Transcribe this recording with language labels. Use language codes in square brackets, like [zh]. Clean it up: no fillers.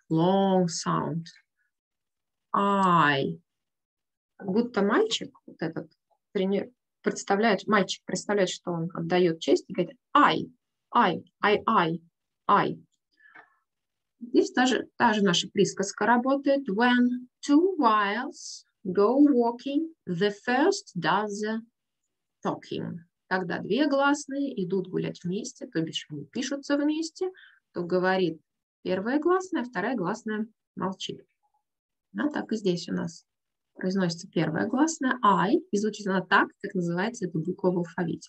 [en] Long sound. I. [ru] Как будто мальчик, вот этот тренер, представляет, мальчик представляет, что он отдает честь и говорит I. Здесь та же наша присказка работает. [en] When two whales go walking, the first does the talking. [ru] Когда две гласные идут гулять вместе, то бишь они пишутся вместе, то говорит первая гласная, вторая гласная молчит. Да, так и здесь у нас произносится первая гласная I, и звучит она так, как называется эта буква в алфавите.